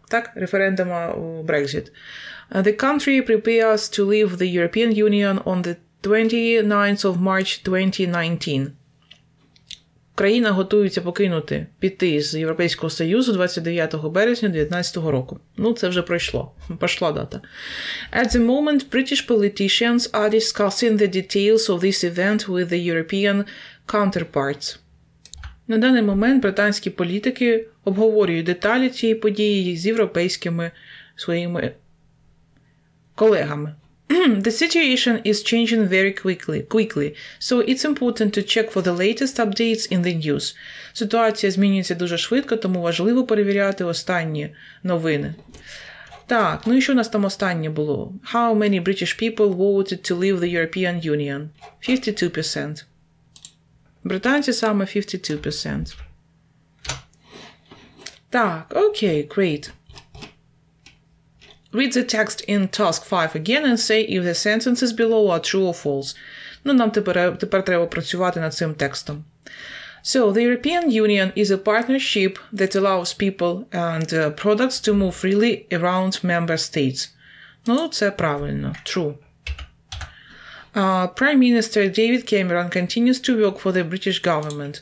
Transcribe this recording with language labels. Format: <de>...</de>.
<uk>Так, референдуму в Брексіт.</uk> <en>The country prepares to leave the European Union on the 29th of March 2019.</en> <uk>Країна готується покинути, піти з Європейського Союзу 29 березня 2019 року. Ну, це вже пройшло. Пішла дата.</uk> <en>At the moment, British politicians are discussing the details of this event with the European counterparts.</en> <uk>На даний момент британські політики обговорюють деталі цієї події з європейськими своїми колегами.</uk> <en>The situation is changing very quickly, so it's important to check for the latest updates in the news.</en> <uk>Ситуація змінюється дуже швидко, тому важливо перевіряти останні новини. Так, ну і що у нас там останнє було?</uk> <en>How many British people voted to leave the European Union?</en> <uk>52%. Британці саме 52%. Так, окей,</uk> <en>great. Read the text in task 5 again and say if the sentences below are true or false.</en> <uk>Ну, нам тепер треба працювати над цим текстом.</uk> <en>So, the European Union is a partnership that allows people and products to move freely around member states.</en> <uk>Ну, це правильно.</uk> <en>True. Prime Minister David Cameron continues to work for the British government.</en>